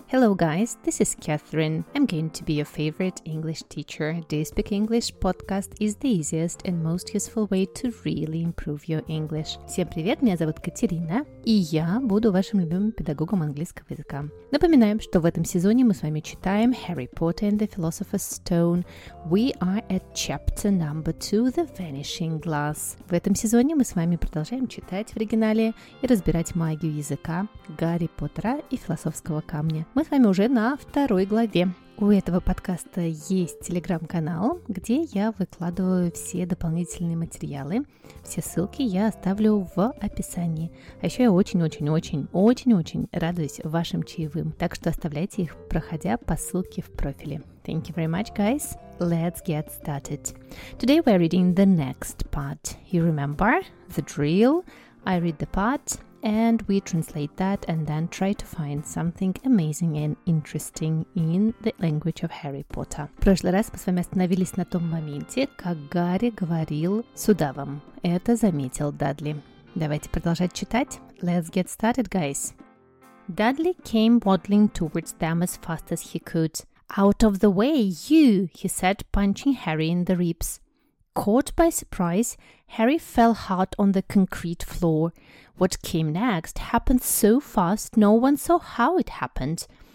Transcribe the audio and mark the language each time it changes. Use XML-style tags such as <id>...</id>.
<en>Hello guys, this is Catherine. I'm going to be your favorite English teacher. Do you speak English? Podcast is the easiest and most useful way to really improve your English.</en> <ru>Всем привет, меня зовут Катерина, и я буду вашим любимым педагогом английского языка. Напоминаем, что в этом сезоне мы с вами читаем Harry Potter and the Philosopher's Stone.</ru> <en>We are at chapter number 2, The Vanishing Glass.</en> <ru>В этом сезоне мы с вами продолжаем читать в оригинале и разбирать магию языка Гарри Поттера и Философского камня. Мы с вами уже на второй главе. У этого подкаста есть телеграм-канал, где я выкладываю все дополнительные материалы. Все ссылки я оставлю в описании. А еще я очень-очень-очень-очень-очень радуюсь вашим чаевым. Так что оставляйте их, проходя по ссылке в профиле.</ru> <en>Thank you very much, guys. Let's get started. Today we're reading the next part. You remember the drill? I read the part. And we translate that and then try to find something amazing and interesting in the language of Harry Potter.</en> <ru>В прошлый раз мы с вами остановились на том моменте, как Гарри говорил с удавом. Это заметил Дадли. Давайте продолжать читать.</ru> <en>Let's get started, guys. Dudley came waddling towards them as fast as he could. Out of the way, you, he said, punching Harry in the ribs. Caught by surprise, Harry fell hard on the concrete floor. What came next happened so fast no one saw how it happened.</en>